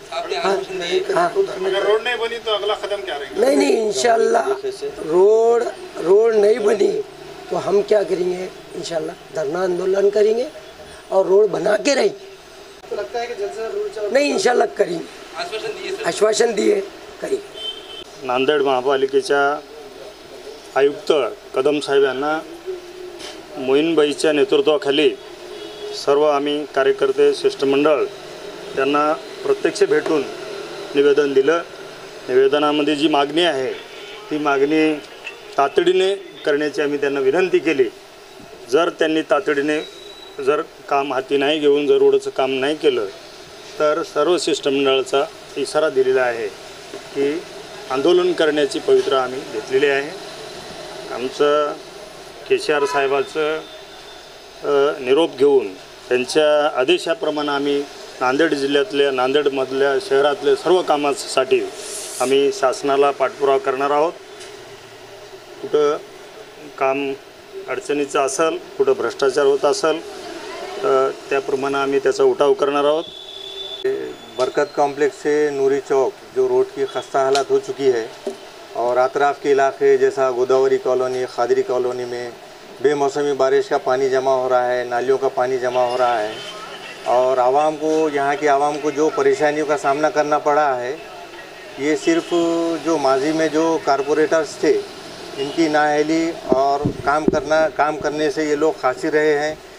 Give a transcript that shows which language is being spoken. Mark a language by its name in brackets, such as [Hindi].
[Hindi] Road नहीं बनी तो अगला कदम क्या रहेगा? नहीं नहीं इंशाल्लाह रोड नहीं बनी तो हम क्या करेंगे, इंशाल्लाह धरना आंदोलन करेंगे और रोड बना के रहेंगे। तो लगता है कि जलसा नहीं, इंशाल्लाह करेंगे, आश्वासन दिए करेंगे। [Marathi] नांदेड़ महापालिकेच्या आयुक्त कदम साहेबांना मोइन भाईच्या नेतृत्वाखाली सर्व आम्ही कार्यकर्ते शिष्टमंडळ त्यांना प्रत्यक्ष भेटून निवेदन दिलं। निवेदनामध्ये जी मागणी आहे ती मागणी तातडीने करण्याची आम्ही त्यांना विनंती केली। जर त्यांनी तातडीने जर काम हाती नाही घेऊन जर रोडचं काम नाही केलं तर सर्व शिष्टमंडळाचा इशारा दिलेला आहे की आंदोलन करण्याची पवित्र आम्ही घेतलेली आहे। आमचं केसीआर साहेबांचं निरोप घेऊन त्यांच्या आदेशाप्रमाणे आम्ही नांदेड जिल्ह्यातल्या नांदेडमधल्या शहरातले सर्व कामांसाठी आम्ही शासनाला पाठपुरावा करणार आहोत। कुठं काम अडचणीचं असेल, कुठं भ्रष्टाचार होत असेल तर त्याप्रमाणे आम्ही त्याचा उठाव करणार आहोत। [Hindi] बरकत कॉम्प्लेक्स से नूरी चौक जो रोड की खस्ता हालत हो चुकी है और अतराफ के इलाके जैसा गोदावरी कॉलोनी, खादरी कॉलोनी में बेमौसमी बारिश का पानी जमा हो रहा है, नालियों का पानी जमा हो रहा है और आवाम को, यहाँ की आवाम को जो परेशानियों का सामना करना पड़ा है, ये सिर्फ जो माजी में जो कारपोरेटर्स थे इनकी नाअहली और काम करने से ये लोग खासी रहे हैं।